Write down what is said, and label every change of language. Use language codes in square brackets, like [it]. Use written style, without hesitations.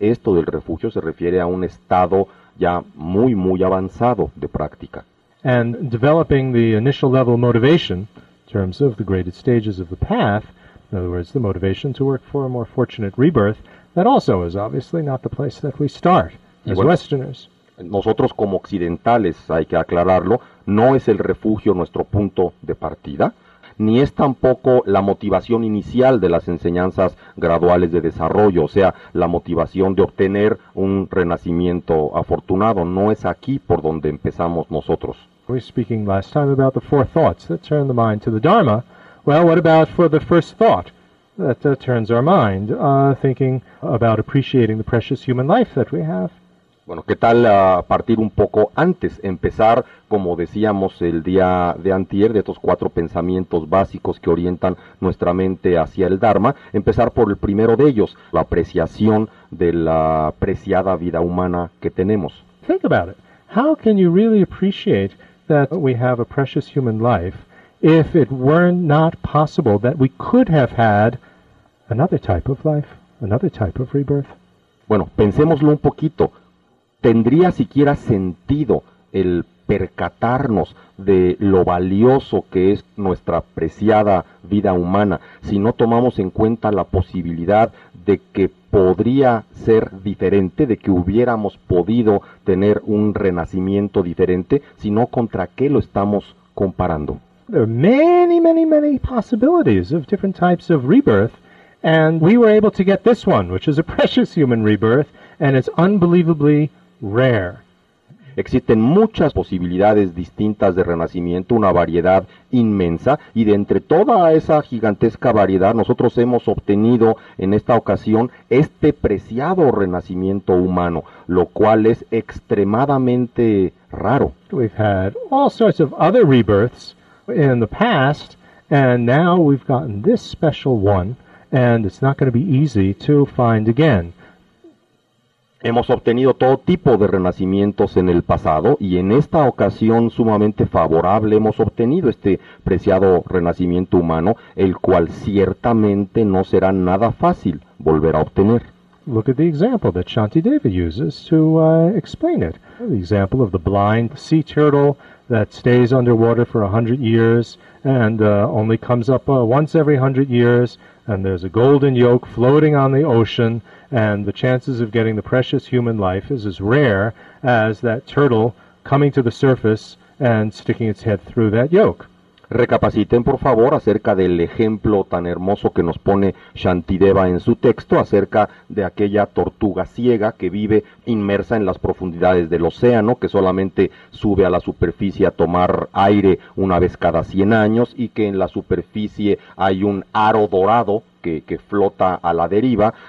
[es] Esto del refugio se refiere a un estado ya muy, muy avanzado de práctica. [en] And developing the initial level motivation in terms of the graded stages of the path, in other words, the motivation to work for a more fortunate rebirth, that also is obviously not the place that we start as [es] bueno, [en] Westerners. [es] Nosotros como occidentales, hay que aclararlo, no es el refugio nuestro punto de partida, ni es tampoco la motivación inicial de las enseñanzas graduales de desarrollo, o sea, la motivación de obtener un renacimiento afortunado. No es aquí por donde empezamos nosotros. [en] We were speaking last time about the four thoughts that turn the mind to the Dharma. Well, what about for the first thought that turns our mind, thinking about appreciating the precious human life that we have? [es] Bueno, ¿qué tal partir un poco antes? Empezar, como decíamos el día de antier, de estos cuatro pensamientos básicos que orientan nuestra mente hacia el Dharma. Empezar por el primero de ellos, la apreciación de la preciada vida humana que tenemos. [en] Think about it. How can you really appreciate that we have a precious human life if it were not possible that we could have had another type of life, another type of rebirth? [es] Bueno, pensémoslo un poquito. ¿Tendría siquiera sentido el percatarnos de lo valioso que es nuestra preciada vida humana si no tomamos en cuenta la posibilidad de que podría ser diferente, de que hubiéramos podido tener un renacimiento diferente, sino contra qué lo estamos comparando? [en] There are many, many, many possibilities of different types of rebirth, and we were able to get this one, which is a precious human rebirth, and it's unbelievably rare. [es] Existen muchas posibilidades distintas de renacimiento, una variedad inmensa, y de entre toda esa gigantesca variedad, nosotros hemos obtenido en esta ocasión este preciado renacimiento humano, lo cual es extremadamente raro. [en] We've had all sorts of other rebirths in the past, and now we've gotten this special one, and it's not going to be easy to find again. [es] Hemos obtenido todo tipo de renacimientos en el pasado, y en esta ocasión sumamente favorable hemos obtenido este preciado renacimiento humano, el cual ciertamente no será nada fácil volver a obtener. [en] Look at the example that Shantideva uses to explain it. The example of the blind sea turtle that stays underwater for 100 years and only comes up once every 100 years and there's a golden yolk floating on the ocean, and the chances of getting the precious human life is as rare as that turtle coming to the surface and sticking its head through that yolk. [es] Recapaciten, por favor, acerca del ejemplo tan hermoso que nos pone Shantideva en su texto acerca de aquella tortuga ciega que vive inmersa en las profundidades del océano, que solamente sube a la superficie a tomar aire una vez cada 100 años y que en la superficie hay un aro dorado que flota a la deriva.